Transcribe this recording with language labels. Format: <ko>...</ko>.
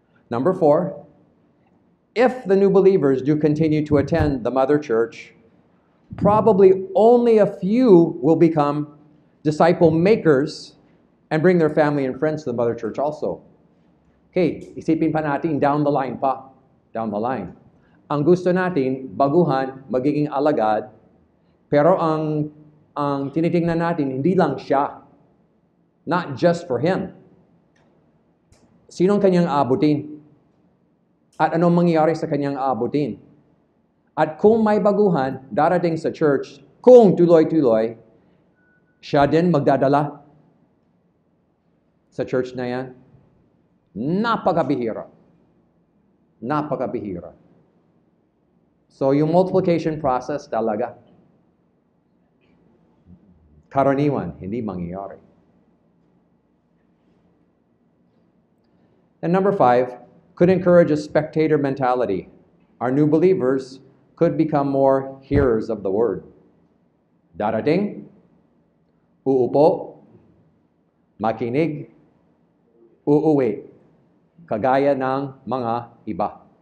<en>Number 4, if the new believers do continue to attend the mother church, probably only a few will become disciple makers and bring their family and friends to the mother church also. Okay,</en> <tl>isipin pa natin</tl> <en>down the line</en> <tl>pa.</tl> <en>Down the line.</en> <tl>Ang gusto natin, baguhan, magiging alagad, pero ang tinitingnan natin, hindi lang siya.</tl> <en>Not just for him.</en> <tl>Sinong kanyang abutin? At anong mangyayari sa kanyang abutin? At kung may baguhan, darating sa church, kung tuloy-tuloy, siya din magdadala sa church na yan. Napakabihira. Napakabihira. So, yung multiplication process talaga, karaniwan, hindi mangyayari.</tl> <en>And number 5, could encourage a spectator mentality our new believers could become more hearers of the word. 다라딩, 우우보, 마키닉, 우우웨, 가가야 ng 망아 이바.</en>